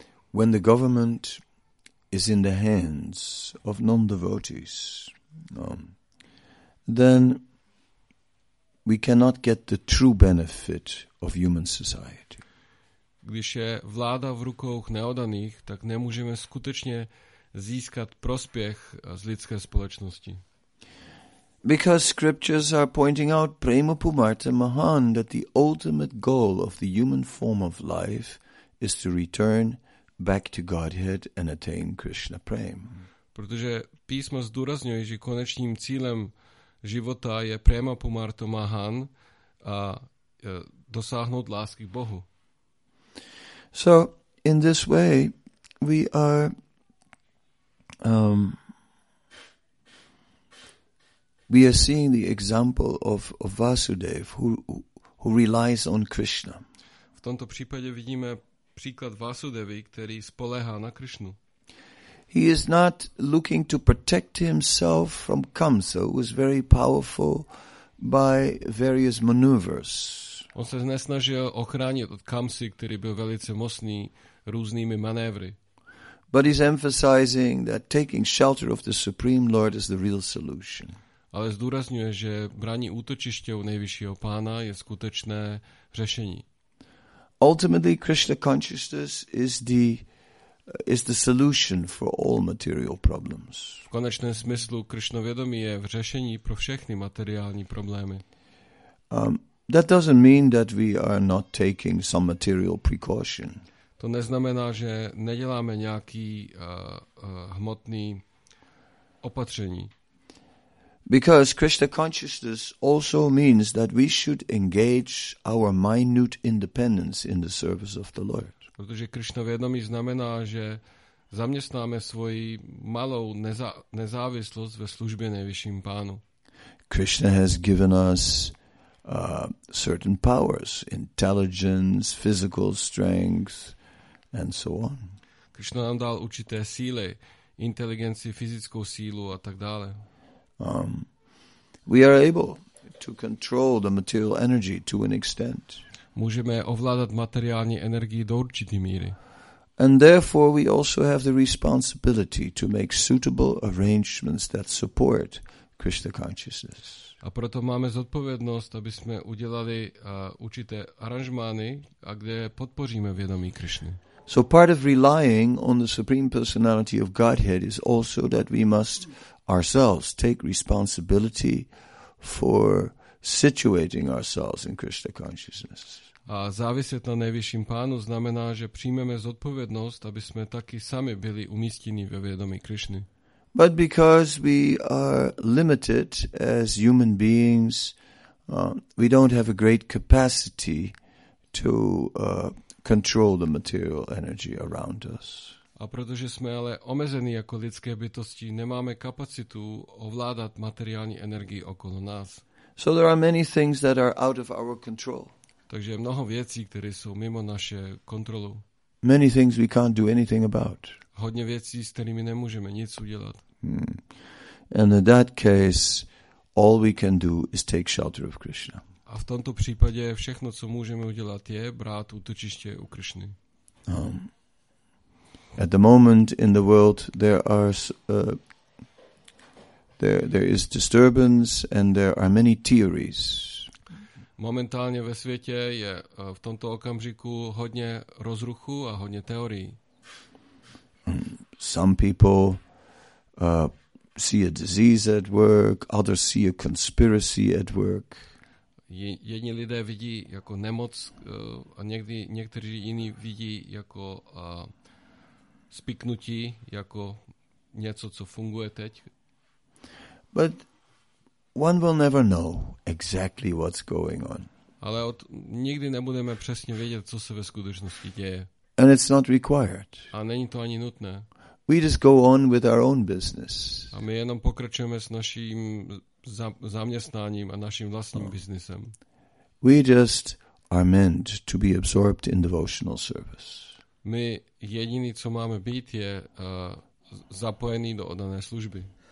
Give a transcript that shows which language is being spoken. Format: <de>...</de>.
<en>When the government is in the hands of non-devotees, then we cannot get the true benefit of human society.</en> <cs>Když je vláda v rukou neodaných, tak nemůžeme skutečně získat prospěch z lidské společnosti.</cs> <en>Because scriptures are pointing out</en> <sa>Prema Pumarta Mahan</sa> <en>that the ultimate goal of the human form of life is to return back to Godhead and attain Krishna Prema.</en> <cs>Protože písmo zdůrazňuje, že konečným cílem života je</cs> <sa>Prema Pumarta Mahan</sa> <cs>a dosáhnout lásky k Bohu.</cs> <en>So in this way we are we are seeing the example of Vasudev who relies on Krishna.</en> <cs>V tomto případě vidíme příklad Vasudevy, který spoléhá na Krishnu.</cs> <en>He is not looking to protect himself from Kamsa, who is very powerful by various maneuvers.</en> <cs>On se nesnažil ochránit od Kamsy, který byl velice mocný různými manévry.</cs> <en>But he's emphasizing that taking shelter of the Supreme Lord is the real solution.</en> <cs>Ale zdůrazňuje, že braní útočiště u nejvyššího pána je skutečné řešení.</cs> <en>Ultimately, Krishna consciousness is the solution for all material problems.</en> <cs>V konečném smyslu Krishna vědomí je v řešení pro všechny materiální problémy.</cs> <en>That doesn't mean that we are not taking some material precaution.</en> <cs>To neznamená, že neděláme nějaký hmotný opatření.</cs> <en>Because Krishna consciousness also means that we should engage our minute independence in the service of the Lord.</en> <cs>Protože Krishna vědomí znamená, že zaměstnáme svoji malou nezávislost ve službě nejvyšším pánu.</cs> <en>Krishna has given us certain powers, intelligence, physical strength, and so on.</en> <cs>Krishna nám dal určité síly, inteligenci, fyzickou sílu a tak dále.</cs> <en>We are able to control the material energy to an extent.</en> <cs>Můžeme ovládat materiální energii do určité míry.</cs> <en>And therefore we also have the responsibility to make suitable arrangements that support Krishna consciousness.</en> <cs>A proto máme zodpovědnost, aby jsme udělali určité aranžmány, a kde podpoříme vědomí Krishny.</cs> <en>So part of relying on the Supreme Personality of Godhead is also that we must ourselves take responsibility for situating ourselves in Krishna consciousness.</en> <cs>A záviset na nejvyšším pánu znamená, že přijmeme zodpovědnost, aby jsme taky sami byli umístěni ve vědomí Krishny.</cs> <en>But because we are limited as human beings, we don't have a great capacity to control the material energy around us.</en> <cs>A protože jsme ale omezení jako lidské bytosti, nemáme kapacitu ovládat materiální energii okolo nás.</cs> <en>So there are many things that are out of our control.</en> <cs>Takže je mnoho věcí, které jsou mimo naše kontrolu.</cs> <en>Many things we can't do anything about.</en> <cs>Hodně věcí, s kterými nemůžeme nic udělat.</cs> <en>And in that case, all we can do is take shelter of Krishna.</en> <cs>A v tomto případě všechno, co můžeme udělat, je brát útočiště u Krishny.</cs> <en>At the moment in the world there is disturbance and there are many theories.</en> <cs>Momentálně ve světě je v tomto okamžiku hodně rozruchu a hodně teorií.</cs> <en>Some people see a disease at work, others see a conspiracy at work.</en> <cs>Jedni lidé vidí jako nemoc a někteří jiní vidí jako spiknutí jako něco, co funguje teď.</cs> <en>But one will never know exactly what's going on.</en> <cs>Ale nikdy nebudeme přesně vědět, co se ve skutečnosti děje.</cs> <en>And it's not required.</en> <cs>A není to ani nutné.</cs> <en>We just go on with our own business.</en> <cs>A my jenom pokračujeme s naším zaměstnáním a naším vlastním biznesem.</cs> <en>We just are meant to be absorbed in devotional service.</en> <cs>My jediný, co máme být, je zapojený do oddané služby.</cs>